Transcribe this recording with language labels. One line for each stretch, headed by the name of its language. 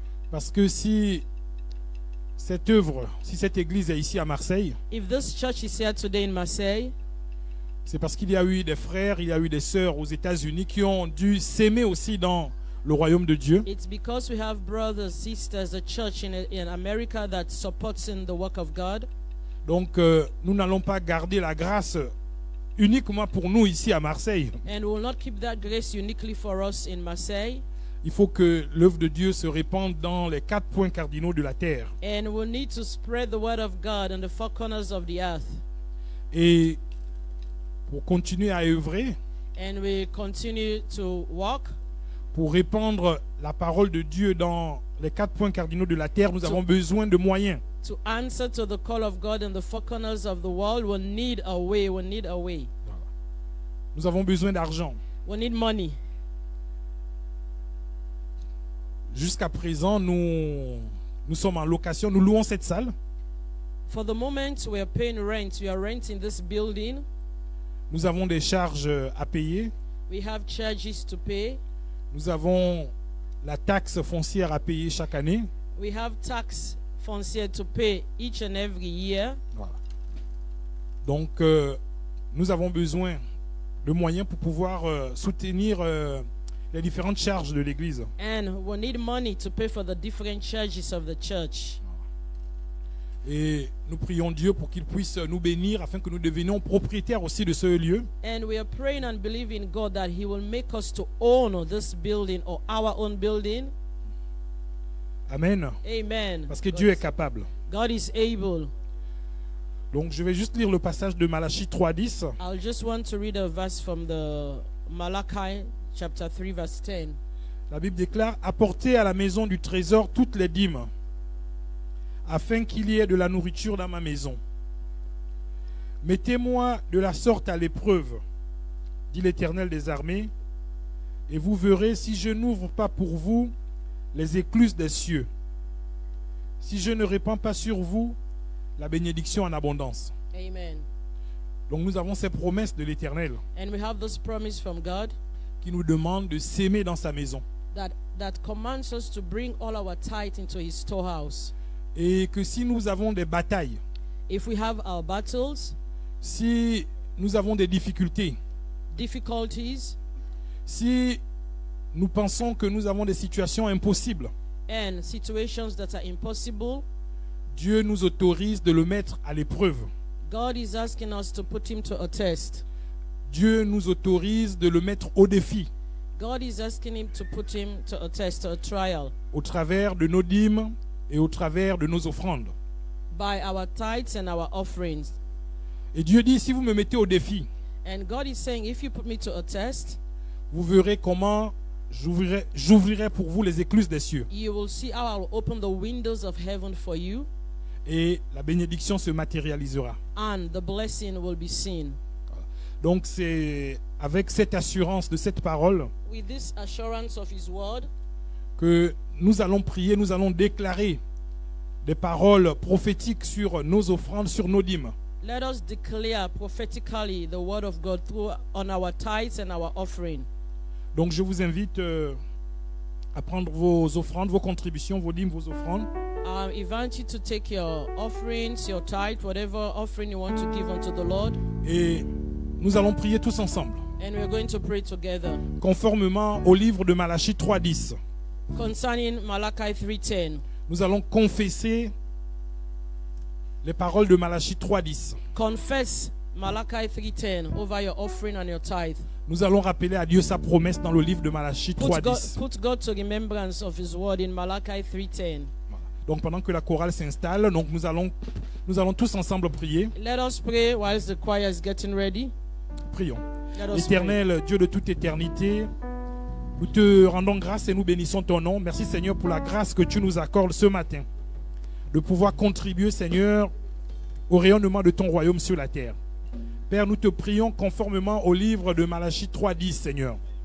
French: Parce que si cette œuvre, si cette église est ici à Marseille,
English: if this church is here today in Marseille,
French: c'est parce qu'il y a eu des frères, il y a eu des sœurs aux États-Unis qui ont dû s'aimer aussi dans le royaume de Dieu.
English: It's because we have brothers, sisters, a church in America that supports in the work of God.
French: Donc nous n'allons pas garder la grâce uniquement pour nous ici à Marseille.
English: And we will not keep that grace uniquely for us in Marseille.
French: Il faut que l'œuvre de Dieu se répande dans les quatre points cardinaux de la terre.
English: And we need to spread the word of God in the four corners of the earth.
French: Et pour continuer à œuvrer.
English: And we continue to walk.
French: Pour répandre la parole de Dieu dans les quatre points cardinaux de la terre, nous avons besoin de moyens.
English: To answer to the call of God in the four corners of the world, we need a way. We need a way.
French: Nous avons besoin d'argent.
English: We need money.
French: Jusqu'à présent, nous sommes en location. Nous louons cette salle.
English: For the moment, we are paying rent. We are renting this building.
French: Nous avons des charges à payer.
English: We have charges to pay.
French: Nous avons la taxe foncière à payer chaque année.
English: We have tax foncière to pay each and every year.
French: Voilà. Donc, nous avons besoin de moyens pour pouvoir soutenir les différentes charges de l'église.
English: And we need money to pay for the different charges of the church.
French: Et nous prions Dieu pour qu'il puisse nous bénir afin que nous devenions propriétaires aussi de ce lieu.
English: And we are praying and believing God that he will make us to own this building or our own building. Amen. Amen.
French: Parce que Dieu est capable.
English: God is able.
French: Donc je vais juste lire le passage de Malachie 3:10.
English: I'll just want to read a verse from the Malachi chapter 3 verse 10.
French: La Bible déclare: apportez à la maison du trésor toutes les dîmes, afin qu'il y ait de la nourriture dans ma maison. Mettez-moi de la sorte à l'épreuve, dit l'Éternel des armées, et vous verrez si je n'ouvre pas pour vous les écluses des cieux, si je ne répands pas sur vous la bénédiction en abondance. Amen. Donc nous avons ces promesses de l'Éternel,
English: and we have those promises from God,
French: qui nous demande de s'aimer dans sa maison,
English: that commands us to bring all our tithe into his storehouse.
French: Et que si nous avons des batailles,
English: if we have our battles,
French: si nous avons des difficultés,
English: difficulties,
French: si nous pensons que nous avons des situations impossibles,
English: and situations that are impossible,
French: Dieu nous autorise de le mettre à l'épreuve.
English: God is asking us to put him to a test.
French: Dieu nous autorise de le mettre au défi.
English: God is asking him to put him to a test, a trial.
French: Au travers de nos dîmes et au travers de nos offrandes.
English: By our tithes and our offerings.
French: Et Dieu dit, si vous me mettez au défi,
English: and God is saying, if you put me to a test,
French: vous verrez comment j'ouvrirai pour vous les écluses des cieux.
English: You will see how I will open the windows of heaven for you.
French: Et la bénédiction se matérialisera.
English: And the blessing will be seen.
French: Donc c'est avec cette assurance de cette parole,
English: with this assurance of his word,
French: que nous allons prier, nous allons déclarer des paroles prophétiques sur nos offrandes, sur nos dîmes.
English: Let us declare prophetically the word of God through on our tithes and our offering.
French: Donc je vous invite à prendre vos offrandes, vos contributions, vos dîmes, vos offrandes.
English: I invite you to take your offerings, your tithe, whatever offering you want to give unto the Lord.
French: Et nous allons prier tous ensemble.
English: And we are going to pray together.
French: Conformément au livre de Malachie 3:10.
English: Concerning Malachi 3:10.
French: Nous allons confesser les paroles de Malachie 3:10.
English: Confess Malachi 3:10 over your offering and your tithe.
French: Nous allons rappeler à Dieu sa promesse dans le livre de Malachie 3:10.
English: Put God to remembrance of his word in Malachi 3:10.
French: Donc pendant que la chorale s'installe, donc nous allons tous ensemble prier.
English: Let us pray while the choir is getting ready.
French: Prions. Éternel Dieu de toute éternité, nous te rendons grâce et nous bénissons ton nom. Merci Seigneur pour la grâce que tu nous accordes ce matin de pouvoir contribuer Seigneur au rayonnement de ton royaume sur la terre. Père, nous te prions conformément au livre de Malachie 3:10 Seigneur.